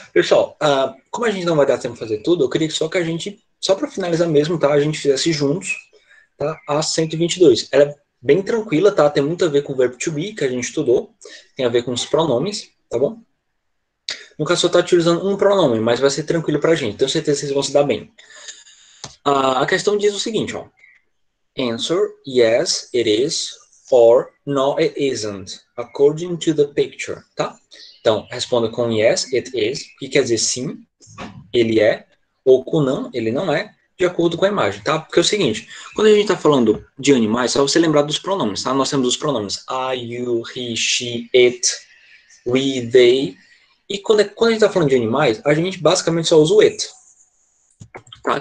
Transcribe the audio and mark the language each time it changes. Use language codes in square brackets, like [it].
[pt] Pessoal, como a gente não vai dar tempo de fazer tudo, eu queria só que a gente, só para finalizar mesmo, tá? A gente fizesse juntos, tá? A 122. Ela é bem tranquila, tá? Tem muito a ver com o verbo to be, que a gente estudou. Tem a ver com os pronomes, tá bom? No caso, só tá utilizando um pronome, mas vai ser tranquilo pra gente. Tenho certeza que vocês vão se dar bem. A questão diz o seguinte, ó. [en] Answer, yes, it is, or no, it isn't, according to the picture, tá? [pt] Então, responda com [en] yes, it is, [pt] que quer dizer sim, ele é, ou com não, ele não é, de acordo com a imagem, tá? Porque é o seguinte, quando a gente tá falando de animais, só você lembrar dos pronomes, tá? Nós temos os pronomes, I, you, he, she, it, we, they, e quando a gente tá falando de animais, a gente basicamente só usa o it, tá?